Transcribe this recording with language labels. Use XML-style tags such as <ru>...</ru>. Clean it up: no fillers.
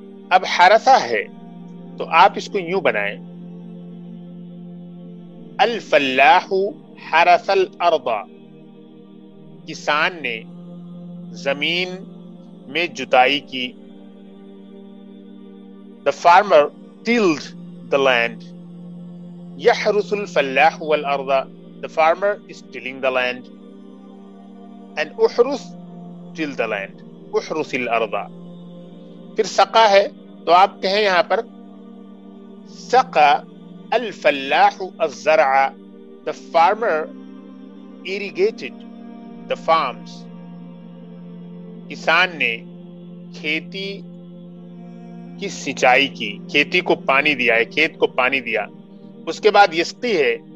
<ur>اب حرثہ ہے تو آپ اس کو یوں بنائیں</ur> <ar>الفلاح حرث الارض,</ar> <ur>کسان نے زمین میں جتائی کی.</ur> <en>The farmer tilled the land.</en> <ar>يحرث الفلاح والارض,</ar> <en>the farmer is tilling the land. And احرث till the land,</en> <ar>احرث الارض.</ar> <ur>پھر سقا ہے تو آپ کہیں یہاں پر</ur> <ar>سقا الفلاح الزرع,</ar> <en>the farmer irrigated the farms,</en> <ur>کسان نے کھیتی کی سینچائی کی, کھیتی کو پانی دیا ہے, کھیت کو پانی دیا. اس کے بعد یسقی ہے,</ur>